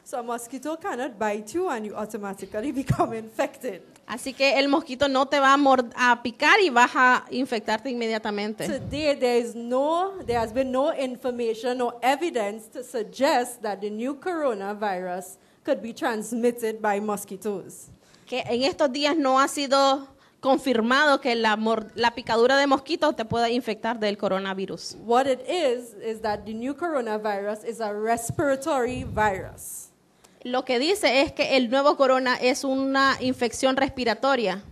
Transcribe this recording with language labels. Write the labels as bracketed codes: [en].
[en] So a mosquito cannot bite you and you automatically become infected. [es] Así que el mosquito no te va a picar y vas a infectarte inmediatamente. [en] Today there has been no information or evidence to suggest that the new coronavirus could be transmitted by mosquitoes. [es] Que en estos días no ha sido confirmado que la picadura de mosquito te pueda infectar del coronavirus. [en] What it is that the new coronavirus is a respiratory virus. [es] Lo que dice es que el nuevo corona es una infección respiratoria.